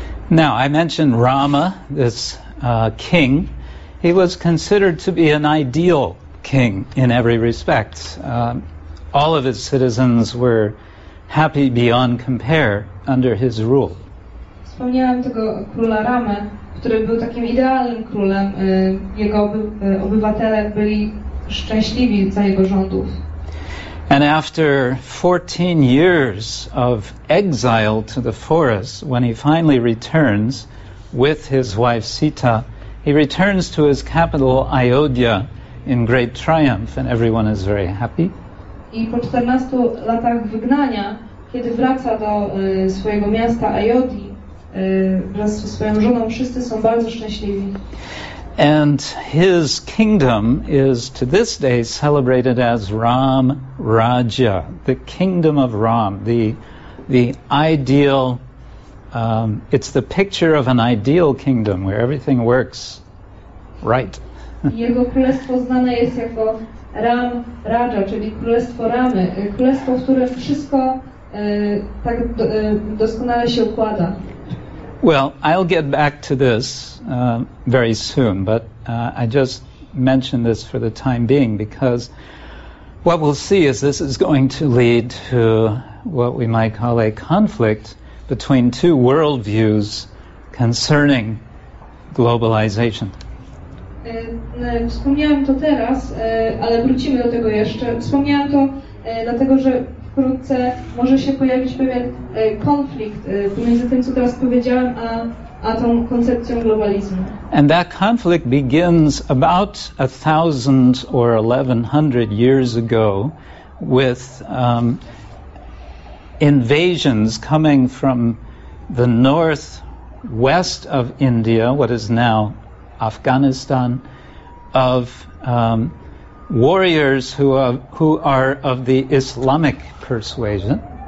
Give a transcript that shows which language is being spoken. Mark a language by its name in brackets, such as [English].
[English] Now, I mentioned Rama, this king. He was considered to be an ideal king in every respect. All of his citizens were happy beyond compare under his rule. [Polish] Wspomniałem tego króla Ramę, który był takim idealnym królem. Jego obywatele byli szczęśliwi za jego rządów. [English] And after 14 years of exile to the forest, when he finally returns with his wife Sita, he returns to his capital Ayodhya in great triumph, and everyone is very happy. [Polish] I po 14 latach wygnania, kiedy wraca do swojego miasta Ayodhi wraz ze swoją żoną, wszyscy są bardzo szczęśliwi. [English] And his kingdom is to this day celebrated as Ram Raja, the kingdom of Ram, the ideal, it's the picture of an ideal kingdom where everything works right. [Polish] Jego królestwo znane jest jako Ram Raja, czyli królestwo Ramy, królestwo, w którym wszystko tak doskonale się układa. [English] Well, I'll get back to this very soon, but I just mention this for the time being, because what we'll see is this is going to lead to what we might call a conflict between two worldviews concerning globalization. [Polish] Wspomniałam to teraz, ale wrócimy do tego jeszcze. Wspomniałam to dlatego, że wkrótce może się pojawić pewien konflikt pomiędzy tym, co teraz powiedziałem, a tą koncepcją globalizmu. [English] And that conflict begins about 1,000 or 1,100 years ago with invasions coming from the northwest of India, what is now Afghanistan, of warriors who are of the Islamic persuasion.